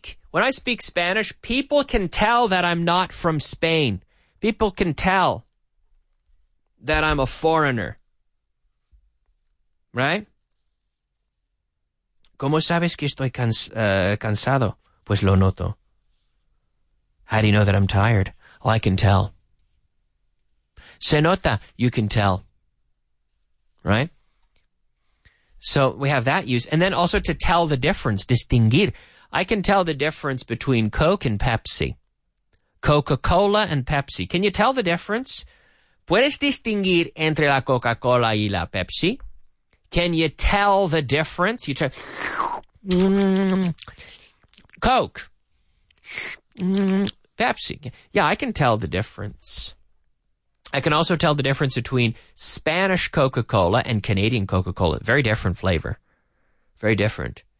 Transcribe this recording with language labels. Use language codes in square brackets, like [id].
[en] When I speak Spanish, people can tell that I'm not from Spain. People can tell that I'm a foreigner. Right? [es] ¿Cómo sabes que estoy cansado? Pues lo noto. [en] How do you know that I'm tired? Oh, I can tell. [es] Se nota, [en] you can tell. Right? So we have that use. And then also to tell the difference, distinguir. I can tell the difference between Coke and Pepsi. Coca-Cola and Pepsi. Can you tell the difference? [es] ¿Puedes distinguir entre la Coca-Cola y la Pepsi? [en] Can you tell the difference? You try. Coke. Pepsi. Yeah, I can tell the difference. I can also tell the difference between Spanish Coca-Cola and Canadian Coca-Cola. Very different flavor. Very different.